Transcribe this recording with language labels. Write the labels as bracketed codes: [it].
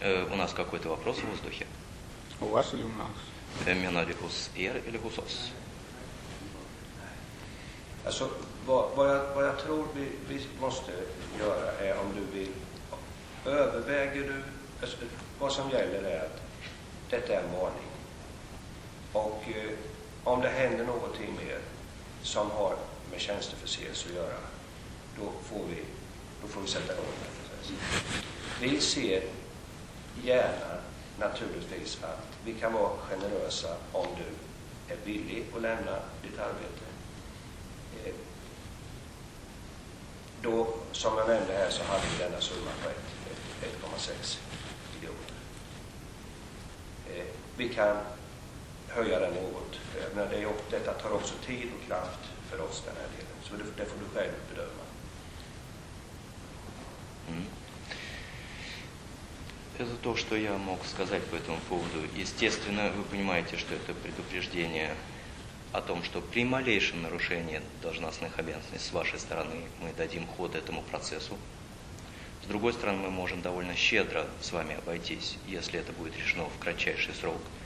[ru] У нас какой-то вопрос в воздухе? У вас или у нас? Меналикус эр или гусос? Вот я думаю, мы должны делать, если ты хочешь. [sv] Överväger du, vad som gäller är att detta är en varning. Och om det händer någonting mer som har med tjänsteförseelse att göra, då får vi sätta igång den processen. Vi ser gärna naturligtvis att vi kan vara generösa om du är villig att lämna ditt arbete. Då, som jag nämnde här, så hade vi denna summa på 1,6 miljoner. Vi kan höja den något. Men detta tar också tid och kraft för oss den här delen. Så det får du själv bedöma. [ru] Это то, что я мог сказать по этому поводу. Естественно, вы понимаете, что это предупреждение о том, что при малейшем нарушении должностных обязанностей с вашей стороны мы дадим ход этому процессу. С другой стороны, мы можем довольно щедро с вами обойтись, если это будет решено в кратчайший срок.